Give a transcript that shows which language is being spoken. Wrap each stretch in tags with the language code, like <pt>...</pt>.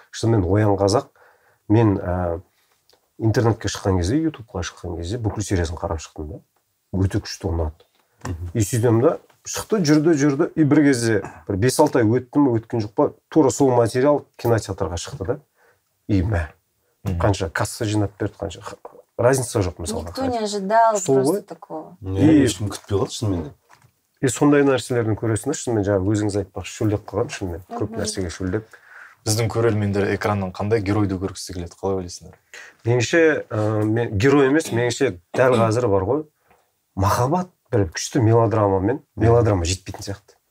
<kk>Шынымен Оян қазақ, мен интернетке шыққан кезде, YouTube-қа шыққан кезде бүкіл сериясын қарап шықтым да. Өте күшті ұнады. И сөйтем да, шықты, жүрді. И бір кезде, бір 5-6 ай өтті ме, өткен жоқ па, тура сол материал кинотеатрға шықты да. И мә. Қанша касса жинап берді, қанша. Разница жоқ мысалы.</kk> <ru>Никто не ожидал просто такого.</ru> <kk>Не, ешкім күтпей қалды шынымен. И сондай нәрселердің көресіңдер шынымен, жаңа өзіңіз айтпақшы шүлдеп қалған шынымен. Көп нәрсеге шүлдеп. Біздің көрермендер экраннан қандай геройды көргісі келеді? Қалай ойлайсыңдар? Меніңше, мен герой емес, меніңше дәл қазір бар ғой. Махаббат бір күшті мелодрамамен, мелодрама жетпейтін сияқты.</kk>